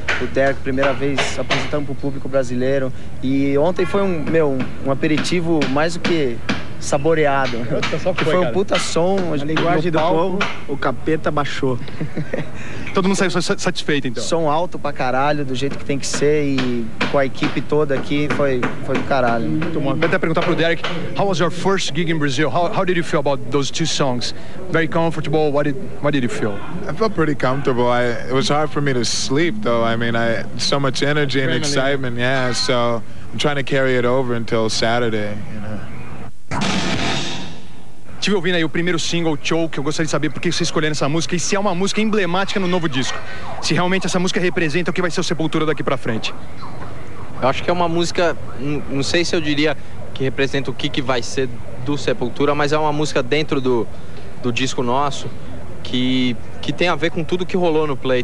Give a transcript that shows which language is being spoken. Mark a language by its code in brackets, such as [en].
[pt] O Derek, primeira vez apresentando pro público brasileiro. E ontem foi um aperitivo mais do que saboreado. Foi um puta som, a linguagem do palco, povo, o capeta baixou. Todo mundo saiu satisfeito, então. Som alto pra caralho, do jeito que tem que ser, e com a equipe toda aqui, foi do caralho. Muito bom. Vou até perguntar pro Derek, [en] how was your first gig in Brazil? How did you feel about those two songs? Very comfortable, what did you feel? I felt pretty comfortable. It was hard for me to sleep, though. I mean, so much energy and excitement, yeah. So, I'm trying to carry it over until Saturday, you know. [pt] Estive ouvindo aí o primeiro single, Choke. Eu gostaria de saber por que vocês escolheram essa música e se é uma música emblemática no novo disco. Se realmente essa música representa o que vai ser o Sepultura daqui pra frente. Eu acho que é uma música, não sei se eu diria que representa o que vai ser do Sepultura, mas é uma música dentro do disco nosso que tem a ver com tudo que rolou no Play.